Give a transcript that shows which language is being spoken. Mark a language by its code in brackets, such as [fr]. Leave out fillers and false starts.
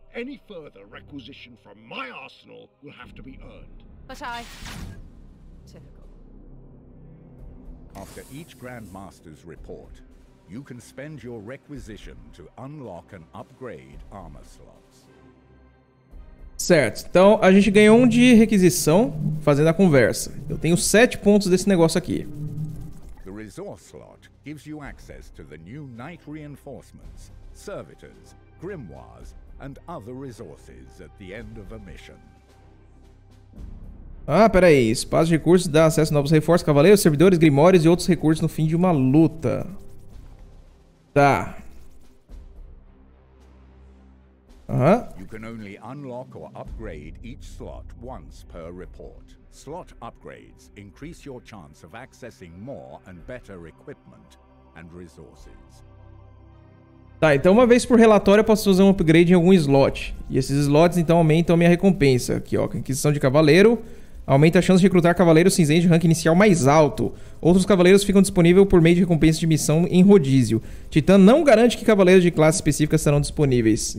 [en] Any further requisition from my arsenal will have to be earned. But I... After each Grand Master's report, you can spend your requisition to unlock and upgrade armor slots. [pt] Certo, então a gente ganhou um de requisição fazendo a conversa. Eu tenho 7 pontos desse negócio aqui. [en] The resource slot gives you access to the new knight reinforcements, servitors, grimoires, and other resources at the end of a mission. [pt] Ah, peraí. Espaço de recursos dá acesso a novos reforços, cavaleiros, servidores, grimórios e outros recursos no fim de uma luta. Tá. [en] You can only unlock or upgrade each slot once per report. Slot upgrades increase your chance of accessing more and better equipment and resources. [pt] Tá, então uma vez por relatório eu posso fazer um upgrade em algum slot. E esses slots então aumentam a minha recompensa. Aqui, ó, aquisição de cavaleiro. Aumenta a chance de recrutar cavaleiro cinzento de rank inicial mais alto. Outros cavaleiros ficam disponíveis por meio de recompensa de missão em rodízio. Titã não garante que cavaleiros de classe específica serão disponíveis.